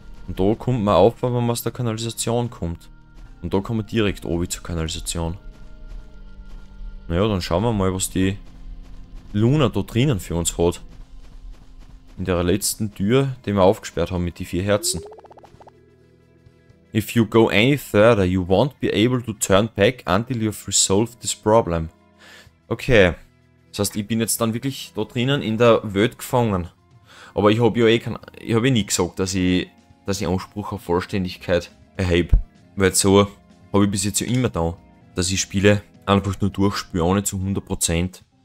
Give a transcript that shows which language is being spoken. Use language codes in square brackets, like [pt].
[de] Und da kommt man auf, wenn man aus der Kanalisation kommt. Und da kann man direkt oben zur Kanalisation. Naja, dann schauen wir mal, was die Luna da drinnen für uns hat. In der letzten Tür, die wir aufgesperrt haben mit die vier Herzen. [en] If you go any further, you won't be able to turn back until you've resolved this problem. Okay. [de] Das heißt, ich bin jetzt dann wirklich da drinnen in der Welt gefangen. Aber ich habe ja nie gesagt, dass ich Anspruch auf Vollständigkeit erhebe. Weil so habe ich bis jetzt ja immer da, dass ich Spiele einfach nur durchspüre, ohne zu 100%.